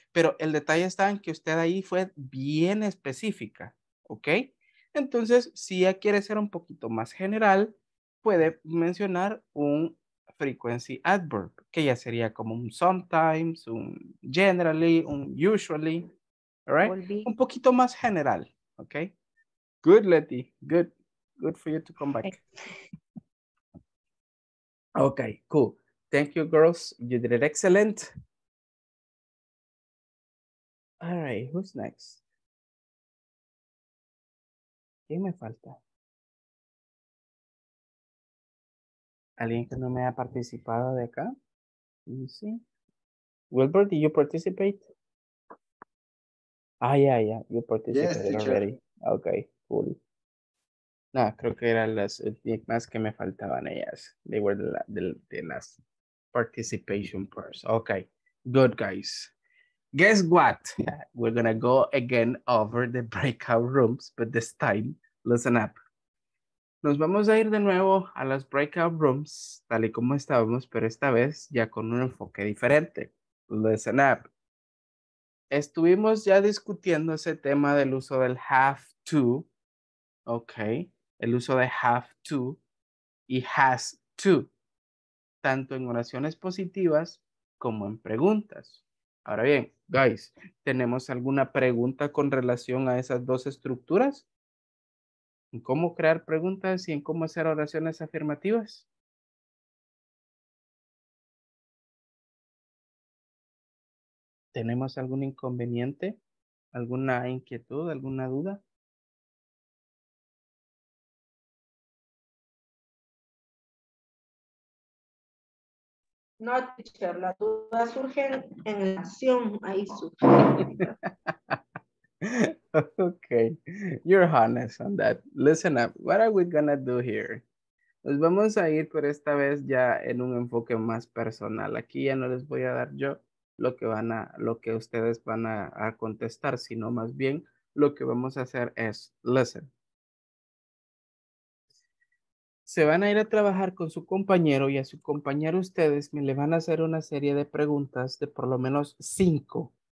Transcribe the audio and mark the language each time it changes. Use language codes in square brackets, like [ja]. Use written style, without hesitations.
[es] Pero el detalle está en que usted ahí fue bien específica, ¿ok? Entonces, si ya quiere ser un poquito más general, puede mencionar un frequency adverb, que ya sería como un sometimes, un generally, un usually, [en] all right? [es] Un poquito más general, okay? [en] Good, Leti, good for you to come back. Okay, cool. Thank you, girls. You did it excellent. All right, who's next? [es] ¿Qué me falta? ¿Alguien que no me ha participado de acá? Sí. [en] Wilbur, did you participate? Ah, yeah, yeah, you participated yes, already. Okay, cool. [es] No, creo que eran las enigmas que me faltaban ellas. [en] They were the last participation parts. Okay, good, guys. Guess what? We're going to go again over the breakout rooms, but this time, listen up. [es] Nos vamos a ir de nuevo a las breakout rooms, tal y como estábamos, pero esta vez ya con un enfoque diferente. [en] Listen up. [es] Estuvimos ya discutiendo ese tema del uso del have to, okay, el uso de have to y has to, tanto en oraciones positivas como en preguntas. Ahora bien, guys, ¿tenemos alguna pregunta con relación a esas dos estructuras? ¿En cómo crear preguntas y en cómo hacer oraciones afirmativas? ¿Tenemos algún inconveniente? ¿Alguna inquietud? ¿Alguna duda? No, teacher, la duda surge en la acción, ahí surge. [en] Okay, you're honest on that. Listen up, what are we gonna do here? [es] Nos vamos a ir por esta vez ya en un enfoque más personal. Aquí ya no les voy a dar yo lo que ustedes van a contestar, sino más bien lo que vamos a hacer es, [en] listen. [es] Se van a ir a trabajar con su compañero y a su compañero ustedes me le van a hacer una serie de preguntas de por lo menos 5.